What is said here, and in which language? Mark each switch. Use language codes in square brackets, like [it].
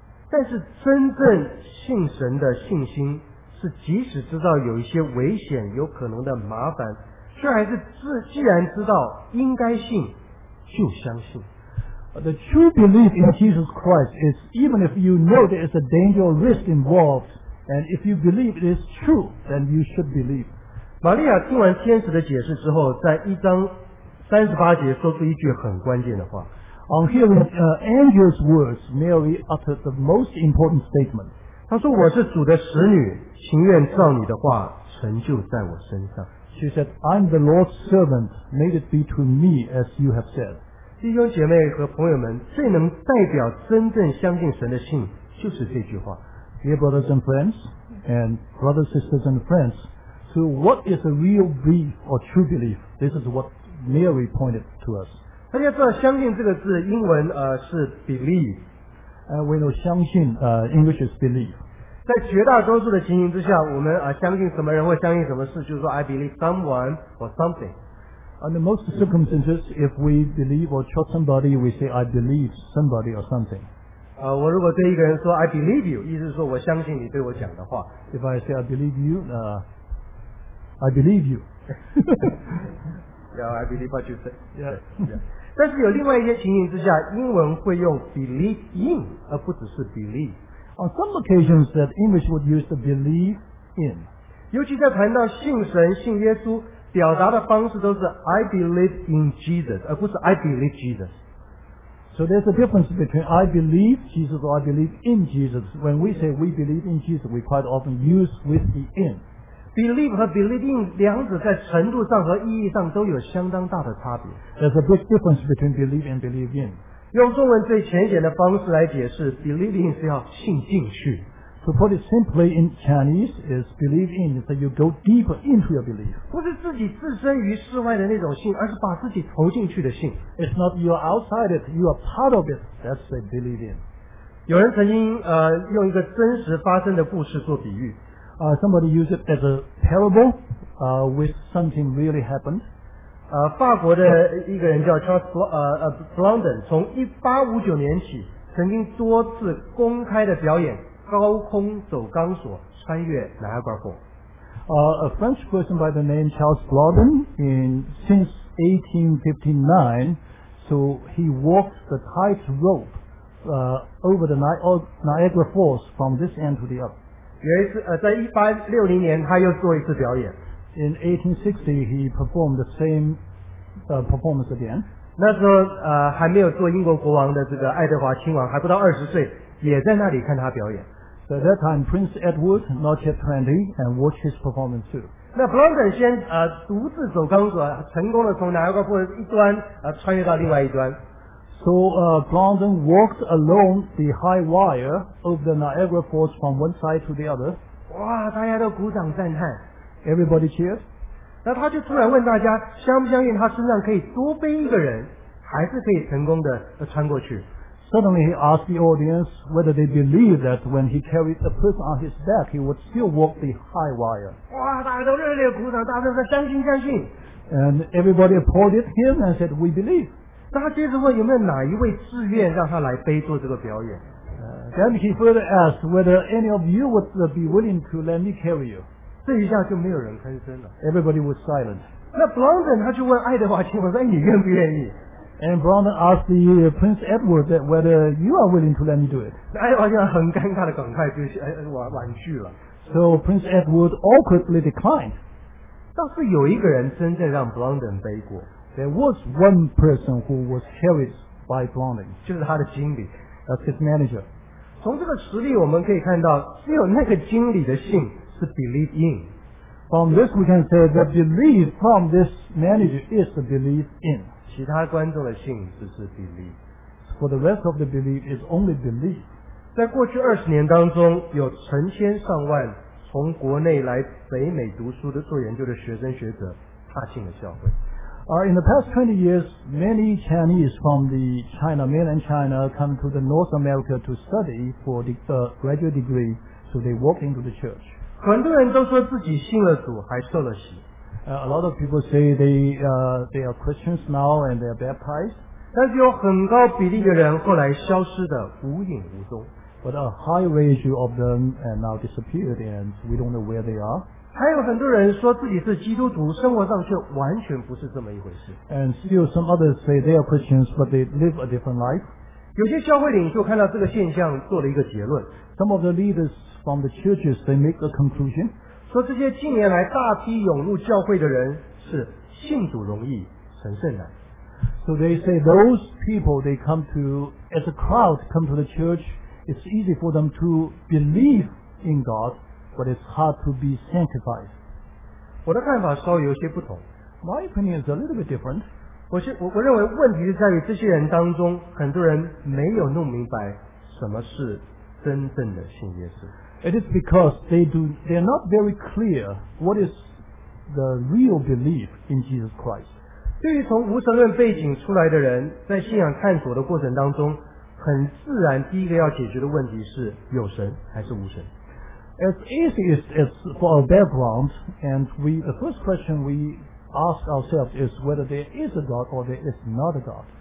[zh] 但是真正信神的信心，是即使知道有一些危险、有可能的麻烦，却还是既然知道应该信。就相信 [en] The true belief in Jesus Christ is even if you know there is a danger or risk involved, and if you believe it is true, then you should believe. [zh] 玛利亚听完天使的解释之后，在一章三十八节说出一句很关键的话。 [en] On hearing angel's words, Mary uttered the most important statement. [zh] 她说：“我是主的使女，情愿照你的话成就在我身上。” [en] She said, "I'm the Lord's servant. May it be to me as you have said." [zh] 弟兄姐妹和朋友们，最能代表真正相信神的信，就是这句话。 [en] Dear brothers and friends, and brothers, sisters and friends, so what is a real belief or true belief? This is what Mary pointed to us. [zh] 大家知道，相信这个字英文是 believe. [en] We know 相信English is believe. [zh] 在绝大多数的情形之下，我们相信什么人或相信什么事，就是说 [en] I believe someone or something. Under most circumstances, if we believe or trust somebody, we say I believe somebody or something. [zh] 我如果对一个人说 [en] I believe you, [zh] 意思是说我相信你对我讲的话。 [en] If I say I believe you, I believe you. Yeah, I believe what you say. Yeah. [zh] 但是有另外一些情形之下，英文会用 believe in, 而不只是 believe. [en] On some occasions that English would use the believe in. [zh] 尤其在谈到信神、信耶稣，表达的方式都是 [en] I believe in Jesus, [zh] 而不是 [en] I believe Jesus. So there's a difference between I believe Jesus or I believe in Jesus. When we say we believe in Jesus, we quite often use with the in. [zh] Believe 和 believe in 两者在程度上和意义上都有相当大的差别。 [en] There's a big difference between believe and believe in. [zh] 用中文最浅显的方式来解释 ，believe in 是要信进去。 [en] To put it simply in Chinese is believe in is that you go deeper into your belief. [zh] 不是自己置身于世外的那种信，而是把自己投进去的信。 [en] It's not you are outside it, you are part of it. That's a believe in. [zh] 有人曾经用一个真实发生的故事做比喻。 [en] Somebody used it as a parable, with something really happened. [zh] 法国的一个人叫 Charles Blondin 从1859年起曾经多次公开的表演高空走钢索穿越 Niagara Falls [en] A French person by the name Charles Blondin since 1859 so he walked the tight rope over the Niagara Falls from this end to the other [zh] 有一次在1860年他又做一次表演 [en] In 1860 he performed the sameperformance again. [zh] 那时候还没有做英国国王的这个爱德华亲王，还不到20岁，也在那里看他表演。 [en] So that time Prince Edward, not yet 20, and watch his performance too. [zh] 那 Blondin 先独自走钢索，成功的从尼亚加拉瀑布一端穿越到另外一端。 [en] So Blondin walked alone the high wire over the Niagara Falls from one side to the other. [zh] 哇，大家都鼓掌赞叹。 [en] Everybody cheered. [zh] 那他就突然问大家相不相信他身上可以多背一个人还是可以成功的穿过去 [en] Suddenly he asked the audience whether they believe that when he carried a person on his back he would still walk the high wire [zh] 哇大家都热烈鼓掌大家都说相信相信 [en] And everybody applauded him and said we believe [zh] 那他接着问有没有哪一位自愿让他来背做这个表演 [en] Then he further asked whether any of you would be willing to let me carry you [zh] 这一下就没有人吭声了 [en] Everybody was silent [zh] 那 Blondin 他就问爱德华亲王说你愿不愿意 [en] And Blondin asked the Prince Edward that whether you are willing to let me do it [zh] 爱德华亲王很尴尬的赶快就婉拒了 [en] So Prince Edward awkwardly declined [zh] 倒是有一个人真正让 Blondin 背过 [en] There was one person who was carried by Blondin [zh] 就是他的经理 [en] That's his manager [zh] 从这个实例我们可以看到只有那个经理的信是 believe in [en] From this we can say the belief from this manager is the belief in. [zh] 其他观众的信只是 belief. [en] For the rest of the belief is only belief. [zh] 在过去二十年当中，有成千上万从国内来北美读书的做研究的学生学者踏进了教会。 [en] In the past 20 years, many Chinese from the China, mainland China, come to the North America to study for the graduate degree, so they walk into the church. [zh] 很多人都说自己信了主，还受了洗。 [en] A lot of people say they are Christians now and they are baptized. [zh] 但是有很高比例的人后来消失的无影无踪。 [en] But a high ratio of them and now disappeared and we don't know where they are. [zh] 还有很多人说自己是基督徒，生活上却完全不是这么一回事。 [en] And still some others say they are Christians, but they live a different life. [zh] 有些教会领袖看到这个现象，做了一个结论。 [en] Some of the leaders from the churches, they make a conclusion. [zh] 说这些近年来大批涌入教会的人是信主容易，成圣难。 [en] So they say those people, they come to, as a crowd come to the church, it's easy for them to believe in God. But it's hard to be sanctified. [zh] 我的看法稍微有些不同。 [en] My opinion is a little bit different. [zh] 我认为问题是在于这些人当中，很多人没有弄明白什么是真正的信耶稣。 [en] It is because they are not very clear what is the real belief in Jesus Christ. [zh] 对于从无神论背景出来的人，在信仰探索的过程当中，很自然第一个要解决的问题是有神还是无神。 [en] As easy as for our background, and the first question we ask ourselves is whether there is a God or there is not a God.